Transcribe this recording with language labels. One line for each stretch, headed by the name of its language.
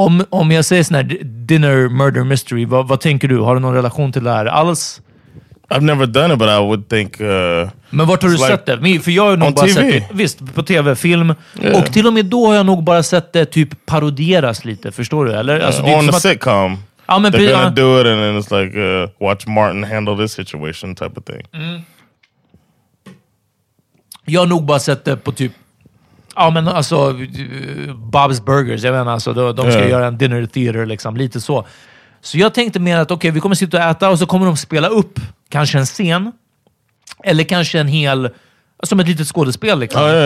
Swedish: Om jag säger sån här
English: dinner murder mystery,
Swedish: vad tänker du? Har du någon relation till det här alls?
English: I've never done it, but I would think...
Swedish: Men vart har du sett det? För jag har nog bara TV. Sett det, visst, på tv-film.
English: Yeah.
Swedish: Och till och med då har jag nog bara sett det typ paroderas lite, förstår du? Eller? Alltså, det
English: on a sitcom.
Swedish: Ja, men
English: they're gonna do it and then it's like, watch Martin handle this situation type of thing. Mm.
Swedish: Jag har nog bara sett det på typ... Ja, men alltså, Bob's Burgers, jag menar, alltså, de ska göra en
English: dinner theater,
Swedish: liksom, lite så. Så jag tänkte mer att okej, vi kommer sitta och äta och så kommer de spela upp kanske en scen eller kanske en hel som ett litet skådespel liksom.